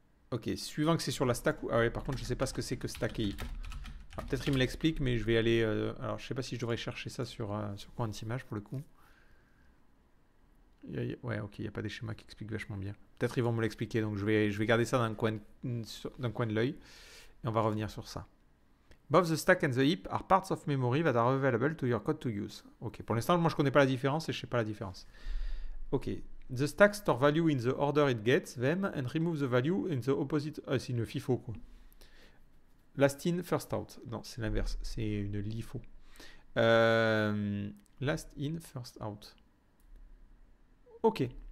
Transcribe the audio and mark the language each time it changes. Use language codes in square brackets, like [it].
[fr] Ok, suivant que c'est sur la stack. Ah ouais, par contre, je ne sais pas ce que c'est que stack et heap. Peut-être il me l'explique, mais je vais aller. Alors, je ne sais pas si je devrais chercher ça sur Quantimage pour le coup. Ouais, ok, il n'y a pas des schémas qui expliquent vachement bien. Peut-être ils vont me l'expliquer, donc je vais garder ça dans le coin de l'œil. Et on va revenir sur ça. [en] Both the stack and the heap are parts of memory that are available to your code to use. [fr] Ok, pour l'instant, moi je ne connais pas la différence et je ne sais pas la différence. [en] Ok. The stack store value in the order it gets them and remove the value in the opposite. [fr] Ah, c'est une FIFO, quoi. [en] Last in, first out. [fr] Non, c'est l'inverse. C'est une LIFO. [en] Last in, first out. Ok.